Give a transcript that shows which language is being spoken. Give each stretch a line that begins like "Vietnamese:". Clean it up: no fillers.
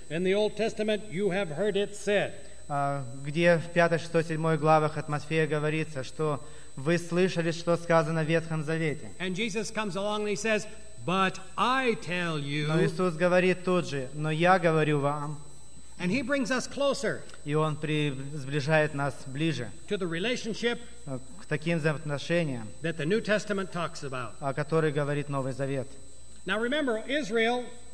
English: In the Old Testament you have heard it said.
Russian: Где в 5, 6, 7 главах от Матфея говорится, что вы слышали, что сказано в Ветхом Завете.
English: And Jesus comes along and he says, But I tell you.
Russian: Но Иисус говорит тут же, но я говорю вам.
English: And he brings us closer.
Russian: И он сближает нас ближе.
English: To the relationship.
Russian: К таким взаимоотношениям.
English: That the New Testament talks about.
Russian: О которых говорит Новый Завет.
English: Now remember, Israel.